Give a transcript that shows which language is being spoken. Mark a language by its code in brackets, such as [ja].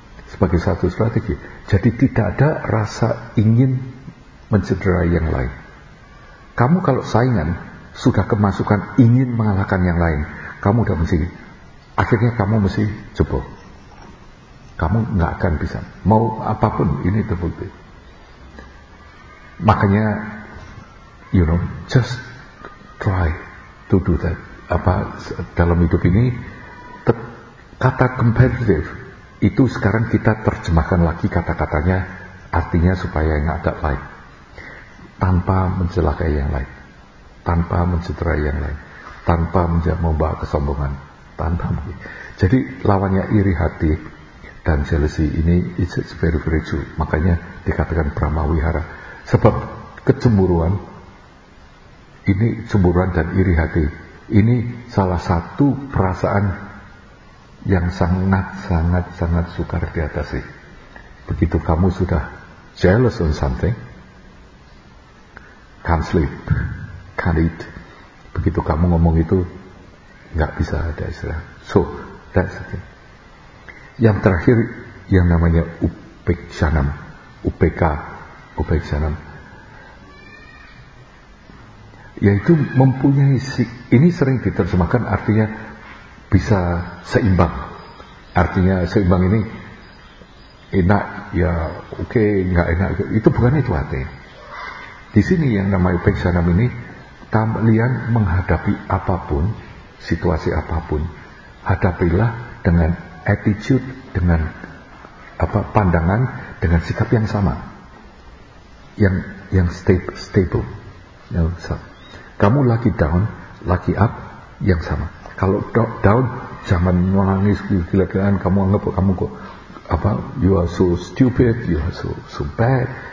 [id] Sebagai suatu strategi. Jadi tidak ada rasa ingin mencederai yang lain. Kamu kalau saingan sudah kemasukan ingin mengalahkan yang lain, kamu udah mesti, akhirnya kamu mesti jebol. Kamu gak akan bisa. Mau apapun, ini terbukti. [en] Makanya, you know, just try to do that. [id] Apa, dalam hidup ini, kata competitive itu sekarang kita terjemahkan lagi kata-katanya, artinya supaya yang agak lain, tanpa mencelakai yang lain, tanpa mencederai yang lain, tanpa membawa kesombongan, tanpa. Jadi lawannya iri hati dan jealousy ini, [en] it's very very true. [id] Makanya dikatakan pramawihara, sebab kecemburuan ini, cemburuan dan iri hati ini salah satu perasaan yang sangat sangat sangat sukar diatasi. Begitu kamu sudah [en] jealous on something, can't sleep, can't eat. [id] Begitu kamu ngomong itu, nggak bisa ada istirahat. [en] So that's it. [id] Yang terakhir yang namanya upekshanam, upekshanam, yaitu mempunyai ini sering diterjemahkan artinya bisa seimbang. Artinya seimbang ini enak ya oke, nggak enak itu bukan itu artinya. Di sini yang namanya upekshanam ini tamlian menghadapi apapun, situasi apapun, hadapilah dengan attitude, dengan apa, pandangan, dengan sikap yang sama, yang stable. [en] You know, so. [id] Kamu lagi down, lagi up, yang sama. Kalau down, jangan nangis gila-gilaan. Kamu anggap kamu kok apa? [en] You are so stupid, you are so bad.